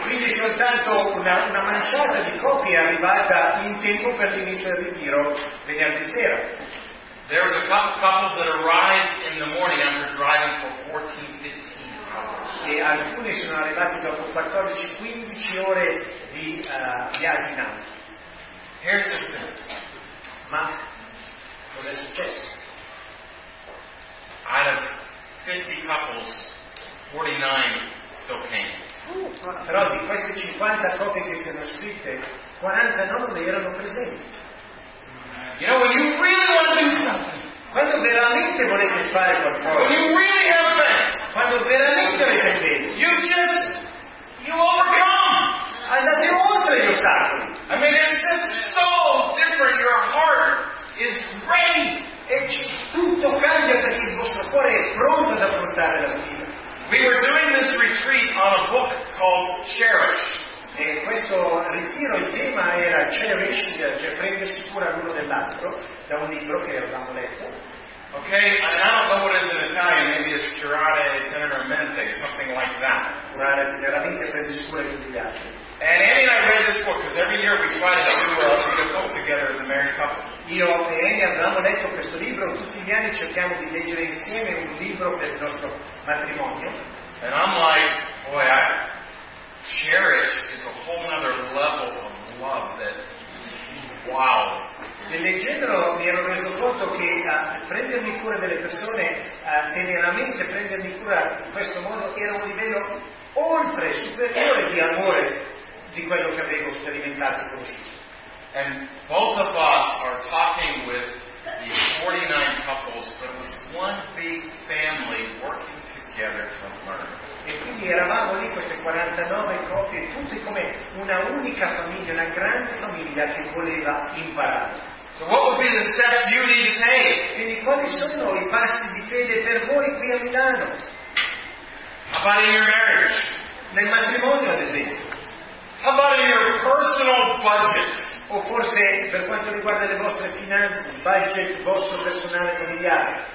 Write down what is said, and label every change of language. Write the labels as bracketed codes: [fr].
[it] E quindi soltanto una manciata di coppie è arrivata in tempo per l'inizio del ritiro venerdì sera. [en] There was a couple couples that arrived in the morning after driving for 14-15 [it] e alcuni sono arrivati dopo 14-15 ore di viaggio in auto. [en] Here's the thing. [it] Ma cosa è successo? [en] Out of 50 couples, 49 still came. [it] Però di queste 50 coppie che si erano iscritte, 49 erano presenti. [en] You know, when you really want to do something, [it] quando veramente volete fare qualcosa, [en] when you really have faith, [it] quando veramente avete fede, [en] you overcome. [it] Andate oltre gli ostacoli. [en] I mean, it's just so different. Your heart is ready. [it] E tutto cambia perché il vostro cuore è pronto ad affrontare la sfida. [en] We were doing this retreat on a book called Cherish. [it] E questo ritiro, il tema era Cherish, cioè prendersi cura l'uno dell'altro, da un libro che avevamo letto. [en] Okay, I don't know what it is in Italian, maybe it's [it] curare tenermente, [en] something like that. [it] Curare tenermente, prendersi cura l'uno dell'altro. [en] And Annie and I read this book, because every year we try to read a book together as a married couple. [it] Io e Annie avevamo letto questo libro, tutti gli anni cerchiamo di leggere insieme un libro per il nostro matrimonio. [en] And I'm like, boy, I Cherish is a whole other level of love that, wow. [it] E leggendolo mi ero reso conto che prendermi cura delle persone, teneramente prendermi cura in questo modo, era un livello oltre, superiore di amore di quello che avevo sperimentato e conosciuto. [en] And both of us are talking with these 49 couples, but it was one big family working together to learn. [it] E quindi eravamo lì queste 49 coppie, tutte come una unica famiglia, una grande famiglia che voleva imparare. [en] So what would be the steps you need to take? [it] Quindi quali sono i passi di fede per voi qui a Milano? [en] How about in your marriage? [it] Nel matrimonio, ad esempio. [en] How about in your personal budget? [it] O forse per quanto riguarda le vostre finanze, il budget vostro personale familiare.